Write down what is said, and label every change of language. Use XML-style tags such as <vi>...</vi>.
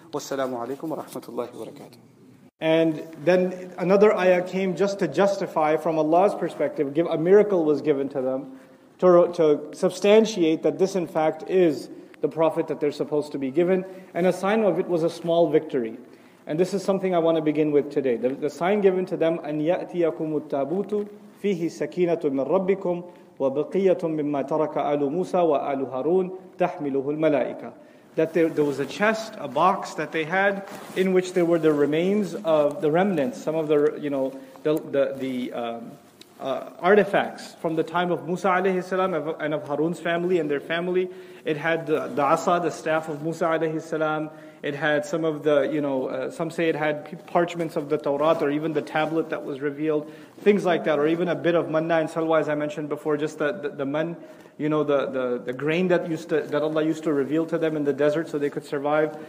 <ar>Wassalamu alaikum wa rahmatullahi wa barakatuh.</ar> <en>And then another ayah came just to justify from Allah's perspective, a miracle was given to them to substantiate that this in fact is the prophet that they're supposed to be given. And a sign of it was a small victory. And this is something I want to begin with today. The sign given to them,</en> <ar>أَنْ يَأْتِيَكُمُ التَّابُوتُ فِيهِ سَكِينَةٌ مِّن رَبِّكُمْ وَبَقِيَّةٌ مِّمَّا تَرَكَ آلُ مُوسَى وَآلُ هَارُونَ تَحْمِلُهُ الْمَلَائِكَةُ.</ar> <en>That there was a chest, a box that they had, in which there were the remains of the remnants, some of the, you know, the artifacts from the time of Musa alayhi salam and of Harun's family and their family. It had the asa, the staff of Musa alayhi salam. It had some of the, you know, some say it had parchments of the Torah or even the tablet that was revealed, things like that, or even a bit of manna and salwa, as I mentioned before, just the man, you know, the grain that Allah used to reveal to them in the desert so they could survive.</en>